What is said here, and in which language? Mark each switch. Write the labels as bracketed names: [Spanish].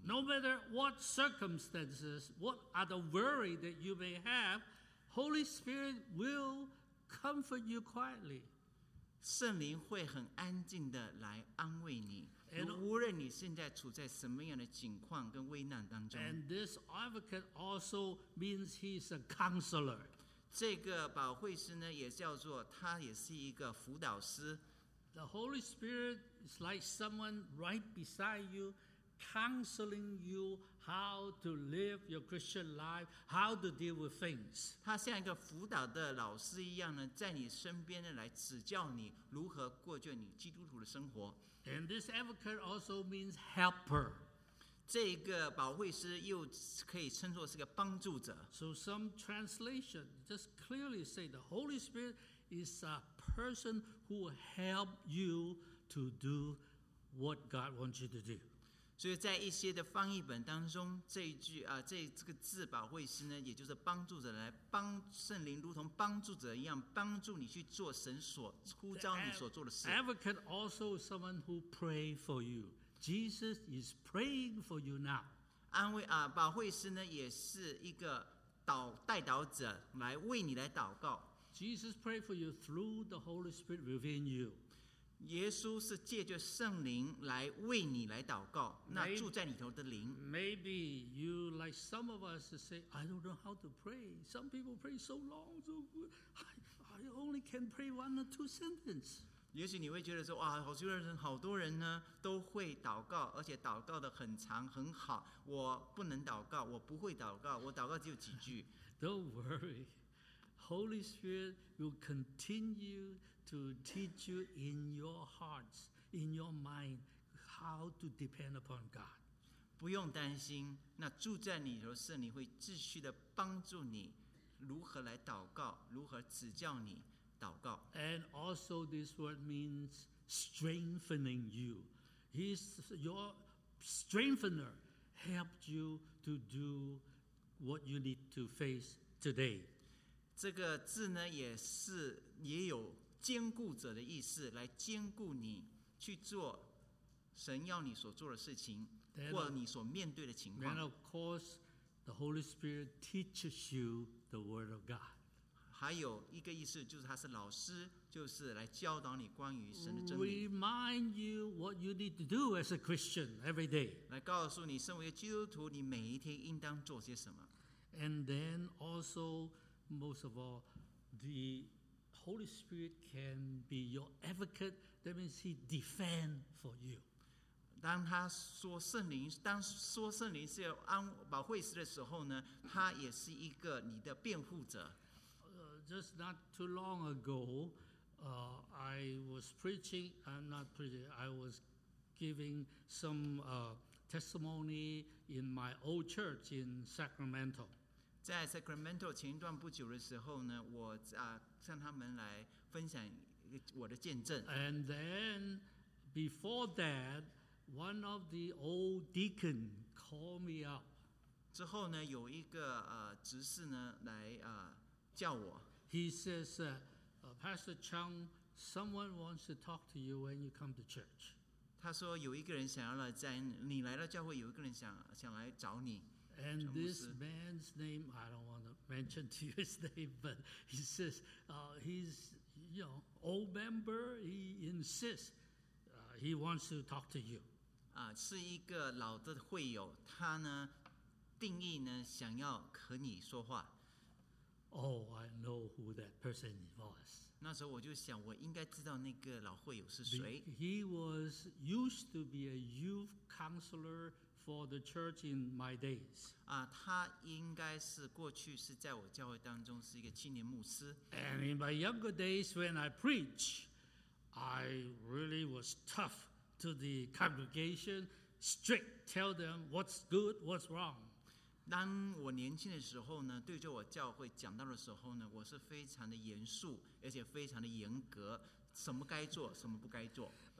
[English] No matter what circumstances, what are the worry that you may have, Holy Spirit will comfort you quietly. [Chinese] 圣灵会很安静的来安慰你，无论你现在处在什么样的境况跟危难当中。 [English] And this advocate also means he's a counselor. [Chinese] 这个保惠师呢，也叫做他也是一个辅导师。 [English] The Holy Spirit is like someone right beside you, counseling you how to live your Christian life, how to deal with things. [Chinese] 他像一个辅导的老师一样呢，在你身边呢来指教你如何过着你基督徒的生活。 [English] And this advocate also means helper. [Chinese] 这个保惠师又可以称作是个帮助者。 [English] So some translation just clearly say the Holy Spirit is a person who will help you to do what God wants you to do. [Chinese] 所以在一些的翻译本当中，这一句啊，这个字保惠师呢，也就是帮助者来帮圣灵，如同帮助者一样，帮助你去做神所呼召你所做的事。 [English] Advocate also is someone who pray for you. Jesus is praying for you now. [Chinese] 安慰啊，保惠师呢也是一个代祷者，来为你来祷告。 [English] Jesus prayed for you through the Holy Spirit within you. [Chinese] 耶稣是借着圣灵来为你来祷告，那住在里头的灵。 [English] Maybe you like some of us to say, I don't know how to pray. Some people pray so long, so I only can pray one or two sentences. [Chinese] 也许你会觉得说，哇，好多人呢都会祷告，而且祷告的很长很好。我不能祷告，我不会祷告，我祷告只有几句。 [English] Don't worry. Holy Spirit will continue to teach you in your hearts, in your mind, how to depend upon God. [Chinese] 不用担心，那住在你里头圣灵会继续的帮助你，如何来祷告，如何指教你祷告。 [English] And also, this word means strengthening you. He's your strengthener, helped you to do what you need to face today. [Chinese] 这个字呢也有坚固者的意思，来坚固你去做神要你所做的事情，或你所面对的情况。 [English] Then of course, the Holy Spirit teaches you the Word of God. [Chinese] 还有一个意思就是他是老师，就是来教导你关于神的真理。 [English] Remind you what you need to do as a Christian every day. [Chinese] 来告诉你，身为基督徒，你每一天应当做些什么。 [English] And then also. Most of all, the Holy Spirit can be your advocate. That means He defend for you. [Chinese] 当他说圣灵，当说圣灵是安保惠师的时候呢，他也是一个你的辩护者。 [English] Just not too long ago, I was preaching. I'm not preaching. I was giving some testimony in my old church in Sacramento. [Chinese] 在 Sacramento 前一段不久的时候呢，我向他们来分享我的见证。 [English] And then before that, one of the old deacon called me up. [Chinese] 之后呢，有一个执事呢来叫我。 [English] He says, Pastor Chung, someone wants to talk to you when you come to church. [Chinese] 他说有一个人想要来在你来到教会，有一个人想来找你。 [English] And this man's name, I don't want to mention to you his name, but he says, he's, you know, old member, he insists, he wants to talk to you. [Chinese] 是一个老的会友，他呢，定义呢，想要和你说话。 [English] Oh, I know who that person was. [Chinese] 那时候我就想，我应该知道那个老会友是谁。 [English] He was, used to be a youth counselor,For the church in my days. [Chinese] 他应该是过去是在我教会当中是一个青年牧师。 [English] And in my younger days when I preach, I really was tough to the congregation, strict, tell them what's good, what's wrong. [Chinese] 当我年轻的时候呢，对着我教会讲道的时候呢，我是非常的严肃，而且非常的严格，什么该做，什么不该做。